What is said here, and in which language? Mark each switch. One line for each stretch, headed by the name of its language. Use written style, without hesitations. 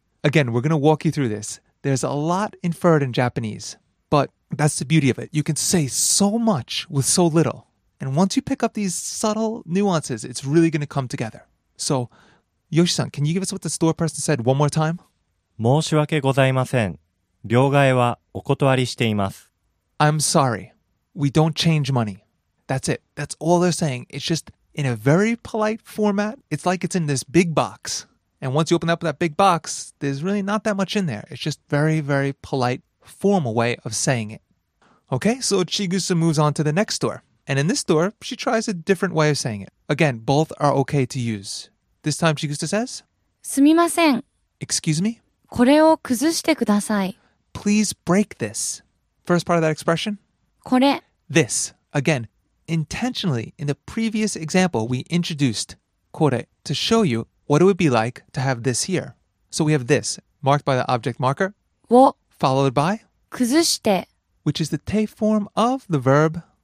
English: Again, we're going to walk you through this. There's a lot inferred in Japanese. But that's the beauty of it. You can say so much with so little. And once you pick up these subtle nuances, it's really going to come together. So, Yoshi-san, can you give us what the store person said one more time?
Japanese: 申し訳ございません。両替はお断りしています。
English: I'm sorry. We don't change money. That's it. That's all they're saying. It's just in a very polite format. It's like it's in this big box. And once you open up that big box, there's really not that much in there. It's just very, very polite. Formal way of saying it. Okay, so Chigusa moves on to the next store. And in this store, she tries a different way of saying it. Again, both are okay to use. This time Chigusa says,
Japanese: すみません。
English: Excuse me?
Japanese: これを崩してください。
English: Please break this. First part of that expression?
Japanese: これ。
English: This. Again, intentionally, in the previous example, we introduced これ to show you what it would be like to have this here. So we have this, marked by the object marker.
Japanese: を。
English: Followed by
Japanese: 崩して
English: which is the te form of the verb